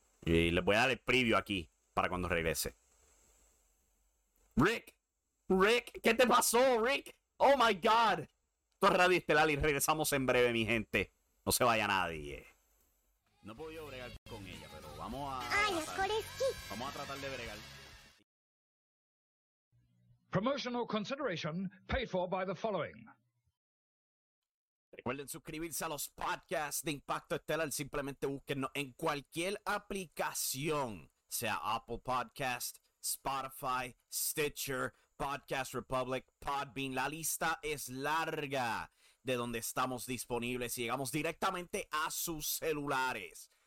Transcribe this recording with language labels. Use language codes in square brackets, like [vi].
[es] Y les voy a dar el preview aquí para cuando regrese. Rick, ¿qué te pasó, Rick? [en] Oh my God. [es] Esto es Radio Estelar y regresamos en breve, mi gente. No se vaya nadie. No puedo yo bregar con ella, pero vamos a... ¡Ay, Skoreski! Vamos a tratar de bregar. [en] Promotional consideration paid for by the following. [es] Recuerden suscribirse a los podcasts de Impacto Estelar. Simplemente búsquenos en cualquier aplicación, sea Apple Podcast, Spotify, Stitcher, Podcast Republic, Podbean. La lista es larga de donde estamos disponibles y llegamos directamente a sus celulares.